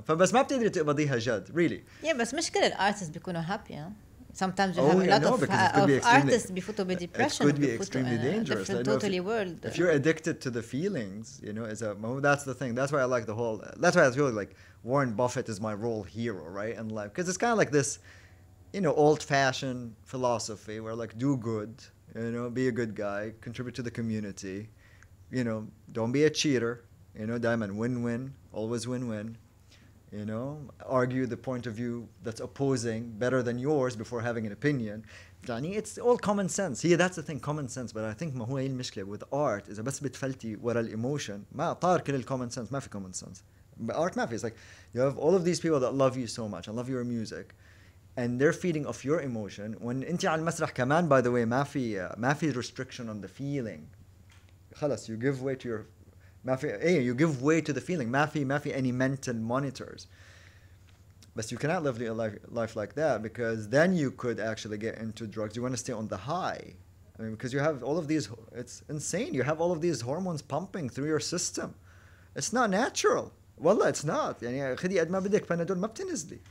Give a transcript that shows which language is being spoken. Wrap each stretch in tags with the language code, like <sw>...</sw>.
<ar>فبس ما بتقدر تقبضيها جد,</ar> <en>really.</en> <ar>Yeah, بس مش كل الأرتس بيكونوا happy.</ar> <en>Sometimes you have a lot of artists</en> <ar>بفوتوا</ar> <en>بدepression. It could be extremely dangerous. Totally world. If you're addicted to the feelings, you know, that's the thing. That's why I like the whole, that's why I feel like Warren Buffett is my role hero, right, in life. Because it's kind of like this, you know, old-fashioned philosophy where like, do good, you know, be a good guy, contribute to the community, you know, don't be a cheater, you know, diamond, win-win, always win-win. You know, argue the point of view that's opposing better than yours before having an opinion. يعني it's all common sense. Yeah, that's the thing, common sense. But I think</en> <ar>ما هو هي المشكلة</ar> <en>with art is</en> <ar>بس بتفلتي ورا الإيموشن ما طار كل الكومن سنس, ما في كومن سنس.</ar> <en>But art</en> <ar>ما في.</ar> <en>It's like you have all of these people that love you so much and love your music, and they're feeding off your emotion. When</en> <ar>أنتي على المسرح كمان,</ar> <en>by the way,</en> <ar>ما في</ar> <en>restriction on the feeling.</en> <ar>خلاص,</ar> <en>you give way to your you give way to the feeling.</en> <ar>ما في</ar> <en>any mental monitors. But you cannot live a life like that, because then you could actually get into drugs. You want to stay on the high. I mean, because you have all of these, it's insane. You have all of these hormones pumping through your system. It's not natural.</en> <ar>والله,</ar> <en>it's not.</en> <ar>يعني خدي قد ما بدك بنادول ما بتنزلي.</ar>